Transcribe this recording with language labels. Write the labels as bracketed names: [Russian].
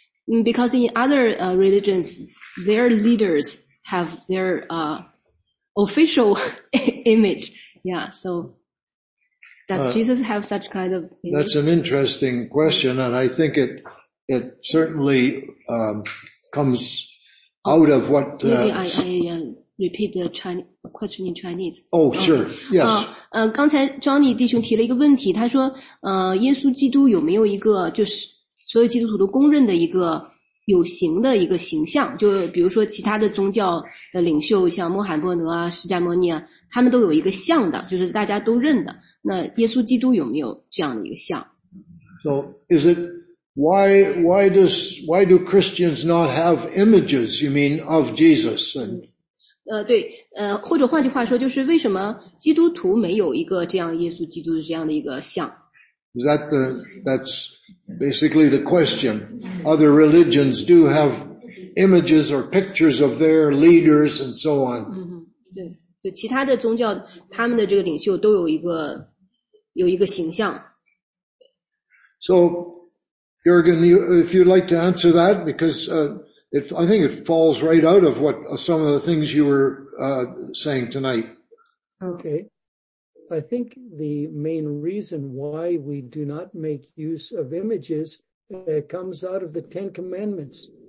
[English] Because in other religions, their leaders have their official image. Yeah, so does Jesus have such kind of image? That's an interesting question, and I think it certainly comes out of what... Repeat the Chinese question in Chinese. Oh, sure. Yes. [Chinese] 刚才 Johnny 弟兄提了一个问题，他说，耶稣基督有没有一个就是所有基督徒都公认的一个有形的一个形象？就比如说其他的宗教的领袖，像穆罕默德啊、释迦牟尼啊，他们都有一个像的，就是大家都认的。那耶稣基督有没有这样的一个像 [English] ？So is it why do Christians not have images? You mean of Jesus and [Chinese] 对，或者换句话说，就是为什么基督徒没有一个这样耶稣基督的这样的一个像 [English] ？That's basically the question. Other religions do have images or pictures of their leaders and so on. [Chinese] 对，就其他的宗教，他们的这个领袖都有一个形象。 [English] So, Jürgen, if you'd like to answer that, I think it falls right out of what some of the things you were saying tonight. Okay. I think the main reason why we do not make use of images comes out of the Ten Commandments.